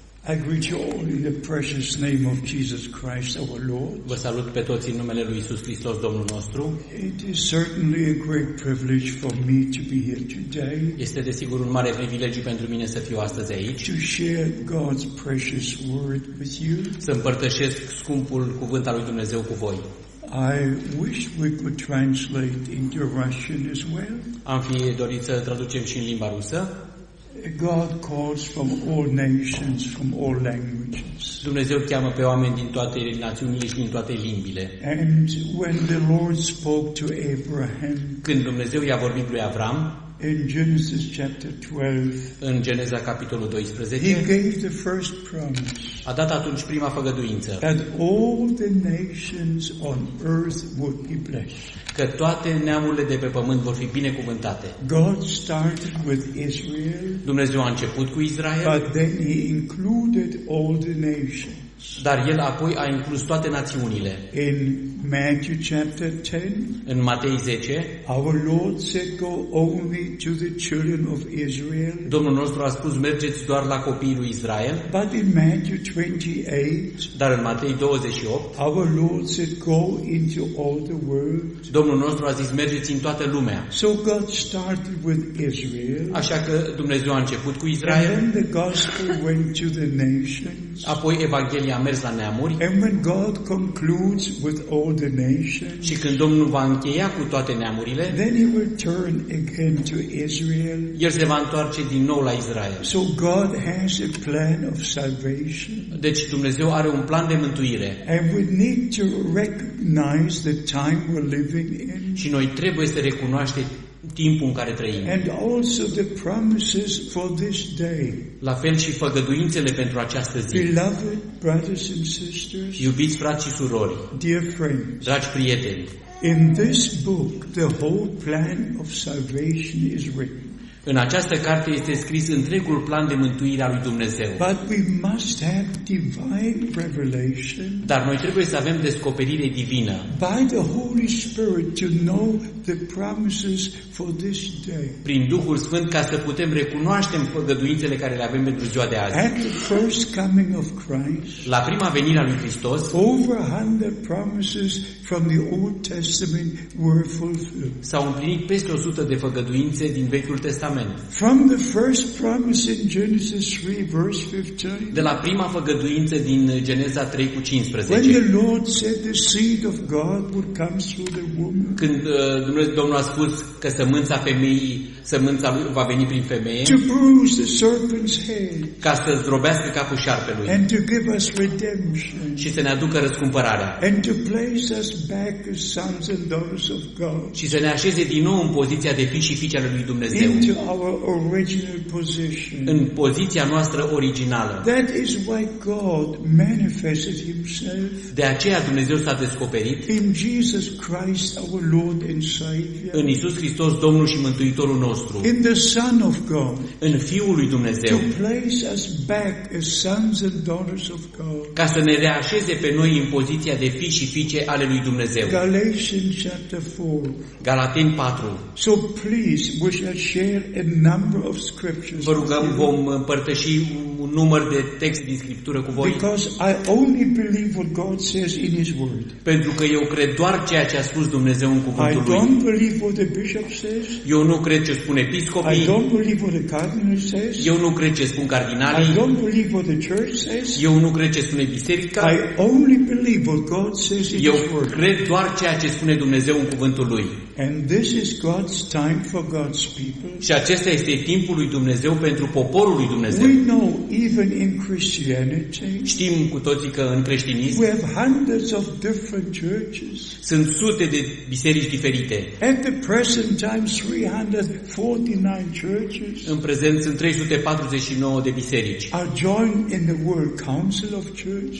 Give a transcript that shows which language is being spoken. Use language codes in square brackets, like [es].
[en] I greet you all in the precious name of Jesus Christ, our Lord. [ro] Vă salut pe toți în numele lui Iisus Hristos, Domnul nostru. [en] It is certainly a great privilege for me to be here today. [ro] Este desigur un mare privilegiu pentru mine să fiu astăzi aici. [en] To share God's precious word with you. [ro] Să împărtășesc scumpul cuvânt al lui Dumnezeu cu voi. [en] I wish we could translate into Russian as well. [ro] Am fi dorit să traducem și în limba rusă. [en] God calls from all nations, from all languages. [ro] Dumnezeu cheamă pe oameni din toate națiunile și din toate limbile. [en] And when the Lord spoke to Abraham, [ro] când Dumnezeu i-a vorbit lui Avram, [en] in Genesis chapter 12, [ro] în Geneza capitolul 12, [en] he gave the first promise. [ro] A dat atunci prima făgăduință. [en] That all the nations on earth would be blessed. [ro] Că toate neamurile de pe pământ vor fi binecuvântate. [en] God started with Israel. [ro] Dumnezeu a început cu Israel. [en] But then he included all the nations. [ro] Dar el apoi a inclus toate națiunile. [en] In Matthew chapter 10, [ro] în Matei 10, [en] our Lord said, "Go only to the children of Israel." [ro] Domnul nostru a spus, mergeți doar la copiii lui Israel. [en] But in Matthew 28, [ro] dar în Matei 28, [en] our Lord said, "Go into all the world." [ro] Domnul nostru a zis, mergeți în toată lumea. [en] So God started with Israel. [ro] Așa că Dumnezeu a început cu Israel. [en] And then the gospel went to the nations. [ro] Apoi Evanghelia a mers la neamuri. [en] And when God concludes with all the nations, [ro] și când Domnul va încheia cu toate neamurile, [en] then he will turn again to Israel. [ro] El se va întoarce din nou la Israel. [en] So God has a plan of salvation. [ro] Deci Dumnezeu are un plan de mântuire. [en] And we need to recognize the time we're living in. [ro] Și noi trebuie să recunoaștem timpul în care trăim. [en] And also the promises for this day. [ro] La fel și făgăduințele pentru această zi. [en] Beloved brothers and sisters. [ro] Iubiți frați și surori. [en] Dear friends. [ro] Dragi prieteni. [en] In this book the whole plan of salvation is written. [ro] În această carte este scris întregul plan de mântuire al lui Dumnezeu. [en] But we must have divine revelation. [ro] Dar noi trebuie să avem descoperire divină. [en] By the Holy Spirit to know the promises for this day. [ro] Prin Duhul Sfânt ca să putem recunoaște făgăduințele care le avem pentru ziua de azi. [en] At the first coming of Christ. [ro] La prima venire a lui Hristos. [en] Over 100 promises from the Old Testament were fulfilled. [ro] S-au împlinit peste 100 de făgăduințe din Vechiul Testament. [en] From the first promise in Genesis 3 verse 15. [ro] De la prima făgăduință din Geneza 3 cu 15. [en] When the Lord said the seed of God would come through the woman. [ro] Când Domnul a spus că sămânța femeii, sămânța lui va veni prin femeie. [en] To bruise the serpent's head. [ro] Ca să zdrobească capul șarpelui. [en] And to give us redemption. [ro] Și să ne aducă răscumpărarea. [en] And to place us back as sons and daughters of God. [ro] Și să ne așeze din nou în poziția de fii și fiice ale lui Dumnezeu. [en] To our original position. [ro] În poziția noastră originală. [en] That is why God manifested himself. [ro] De aceea Dumnezeu s-a descoperit. [en] In Jesus Christ our Lord and Savior. [ro] În Iisus Hristos, Domnul și Mântuitorul nostru. [en] In the Son of God. [ro] În Fiul lui Dumnezeu. [en] To place us back as sons and daughters of God. [ro] Ca să ne reașeze pe noi în poziția de fii și fiice ale lui Dumnezeu. [en] Galatians chapter 4. [ro] Galateni 4. [en] So please wish us share a number of scriptures. [ro] Vă rugăm, vom împărtăși un număr de texte din scriptură cu voi. [en] Because I only believe what God says in his word. [ro] Pentru că eu cred doar ceea ce a spus Dumnezeu în cuvântul lui. [en] I don't believe what the bishop says. [ro] Eu nu cred ce spun episcopii. [en] I don't believe what the cardinal says. [ro] Eu nu cred ce spun cardinalii. [en] I don't believe what the church says. [ro] Eu nu cred ce spune biserica. [en] I only believe what God says in his word. [ro] Eu cred doar ceea ce spune Dumnezeu în cuvântul lui. [en] And this is God's time for God's people. [ro] Și acesta este timpul lui Dumnezeu pentru poporul lui Dumnezeu. [en] We know even in Christianity. [ro] Știm cu toții că în creștinism. [en] We have hundreds of different churches. [ro] Sunt sute de biserici diferite. [en] At the present time 349 churches. [ro] În prezent sunt 349 de biserici. [en] Are joined in the World Council of Churches.